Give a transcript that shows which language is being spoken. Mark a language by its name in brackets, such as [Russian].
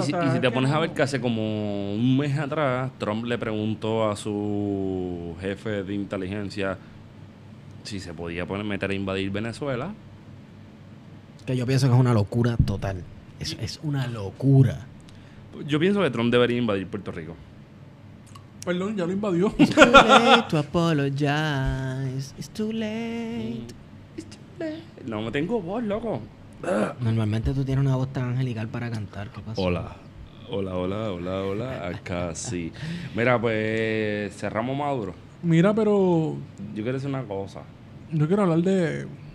[Spanish] Y si te pones a ver que hace como un mes atrás, Trump le preguntó a su jefe de inteligencia, si se podía poner, meter a invadir Venezuela. Que yo pienso que es una locura total. Es una locura. Yo pienso que Trump debería invadir Puerto Rico. Perdón, ya lo invadió. [English] It's too late to apologize. It's too late. It's too [Spanish] late. No, me tengo voz, loco. Normalmente tú tienes una voz tan angelical para cantar. ¿Qué pasó? Hola. Hola, hola, hola, hola. Acá sí. Mira, pues cerramos Maduro. Mira, pero... Yo quiero decir una cosa. Yo quiero hablar de...